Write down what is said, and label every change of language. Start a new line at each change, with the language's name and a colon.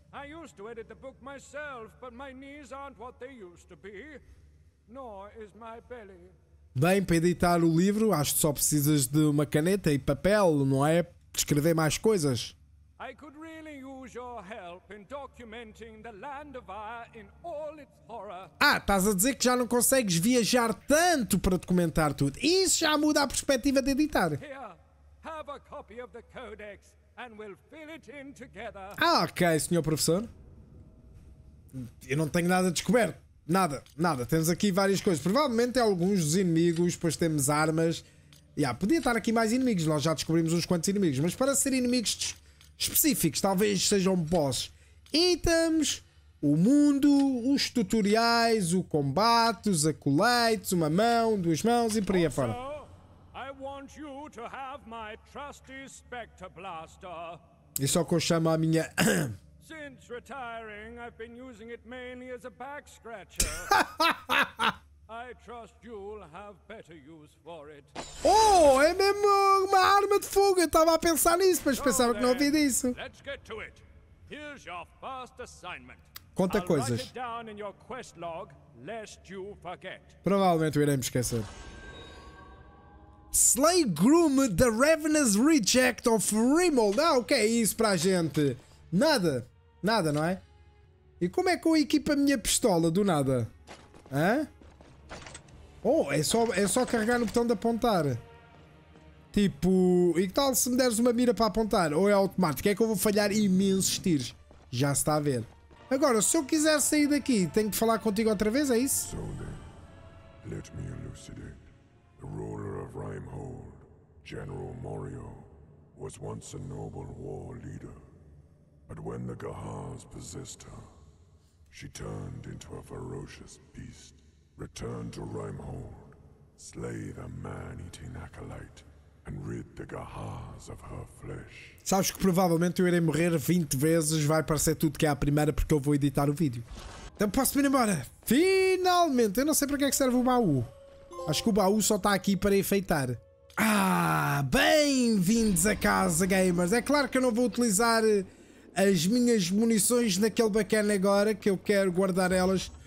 English: I used to edit the book myself, but my knees aren't what they used to be, nor is my belly.
Portuguese: Bem, para editar o livro, acho que só precisas de uma caneta e papel, não é? Escrever mais coisas.
English: I could really use your help in documenting the land of Ire in all its horror.
Portuguese: Ah, estás a dizer que já não consegues viajar tanto para documentar tudo. Isso já muda a perspectiva de editar.
English: Here, have a copy of the codex and we'll fill it in together.
Portuguese: Ah, ok, senhor professor. Eu não tenho nada descoberto. Nada, nada. Temos aqui várias coisas. Provavelmente é alguns dos inimigos, depois temos armas. Yeah, podia estar aqui mais inimigos. Nós já descobrimos uns quantos inimigos. Mas para ser inimigos específicos, talvez sejam bosses. Itens, o mundo, os tutoriais, o combate, os acolytes, uma mão, duas mãos e por aí afora.
English: I want you to have my trusty Spectre Blaster.
Portuguese: Isso é o que eu chamo a minha.
English: Since retiring, I've been using it mainly as a back scratcher. I trust you'll have better use for it.
Portuguese: Oh, é mesmo uma arma de fogo. Eu estava a pensar nisso, mas pensava que não ouvi disso.
English: Let's get to it. Here's your first assignment.
Portuguese: Conta
English: I'll
Portuguese: coisas.
English: Write it down in your quest log, lest you forget.
Portuguese: Provavelmente eu irei me esquecer.
English: Slay Groom the Ravenous Reject of Rimmold.
Portuguese: Ah, o que é isso para a gente? Nada. Nada, não é? E como é que eu equipo a minha pistola do nada? Hã? Oh, é só carregar no botão de apontar. Tipo, e que tal se me deres uma mira para apontar? Ou é automático? É que eu vou falhar imensos tiros. Já se está a ver. Agora, se eu quiser sair daqui, tenho que falar contigo outra vez, é isso?
English: So then, let me elucidate. The ruler of Rimehold, General Morio, was once a noble war leader. But when the Gahars possessed her, she turned into a ferocious beast. Return to Rimehold, slay the man-eating acolyte, and rid the Gahars of her flesh.
Portuguese: Sabes que provavelmente eu irei morrer 20 vezes, vai parecer tudo que é a primeira porque eu vou editar o vídeo. Então posso ir embora? Finalmente! Eu não sei para que é que serve o baú. Acho que o baú só está aqui para enfeitar. Ah, bem-vindos a casa, gamers! É claro que eu não vou utilizar as minhas munições naquele bacana agora, que eu quero guardar elas.